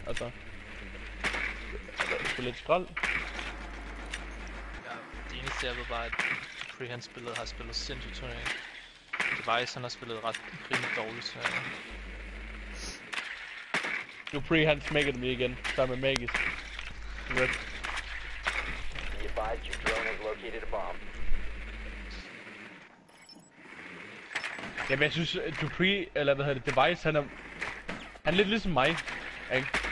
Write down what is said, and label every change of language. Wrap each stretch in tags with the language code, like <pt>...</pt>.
<da>Altså, spiller lidt skrald. Ja, det eneste jeg ved bare, at Freehand spillet har spillet sindssygt turnering. Device, han har spillet ret rimelig dårligt turnering. Du Freehand smækker dem lige igen, sammen med Magis. Red.</da> <en>Be advised, your drone has located a bomb.</en> <da>Jamen jeg synes, Dupree, eller hvad hedder det, Device, han er lidt ligesom mig, ikke?</da>